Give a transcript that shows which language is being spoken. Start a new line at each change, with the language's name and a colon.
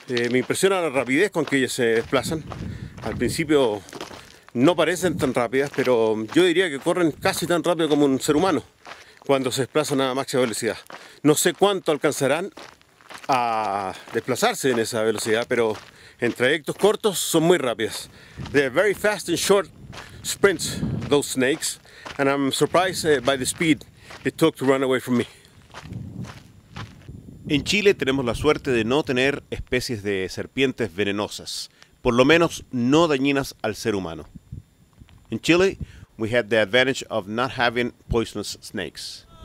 Spanish: Me impresiona la rapidez con que ellas se desplazan. Al principio no parecen tan rápidas, pero yo diría que corren casi tan rápido como un ser humano cuando se desplazan a máxima velocidad. No sé cuánto alcanzarán a desplazarse en esa velocidad, pero en trayectos cortos son muy rápidas.
English: They're very fast in short sprints, those snakes, and I'm surprised by the speed it took to run away from me.
Spanish: En Chile tenemos la suerte de no tener especies de serpientes venenosas, por lo menos no dañinas al ser humano.
English: In Chile, we had the advantage of not having poisonous snakes.